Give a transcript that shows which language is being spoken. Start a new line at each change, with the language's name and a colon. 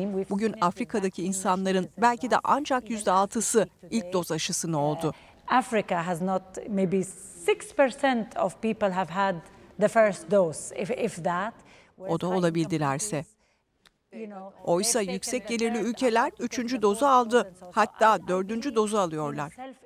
Turkish: Bugün Afrika'daki insanların belki de ancak %6'sı ilk doz aşısını oldu.
English: Afrika has not maybe 6% of people have had the first dose if that.
Turkish: O da olabildilerse. Oysa yüksek gelirli ülkeler 3. dozu aldı, hatta 4. dozu alıyorlar.